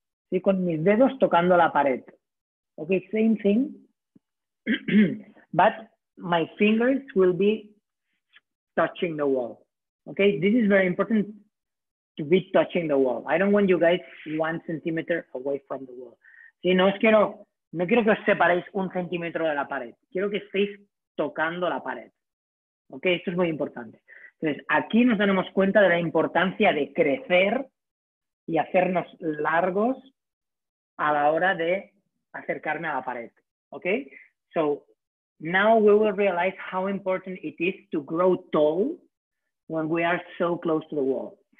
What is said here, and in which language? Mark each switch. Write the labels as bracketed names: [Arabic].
[Spanish] Sí, con mis dedos tocando la pared. [English] Ok, same thing. But my fingers will be touching the wall. Ok, this is very important to be touching the wall. I don't want you guys 1 centimeter away from the wall. [Spanish] Sí, no os quiero, no quiero que os separéis 1 centímetro de la pared. Quiero que estéis tocando la pared. Ok, esto es muy importante. Entonces, aquí nos daremos cuenta de la importancia de crecer y hacernos largos a la hora de acercarme a la pared. [English] Ok, so now we will realize how important it is to grow tall when we are so close to the wall.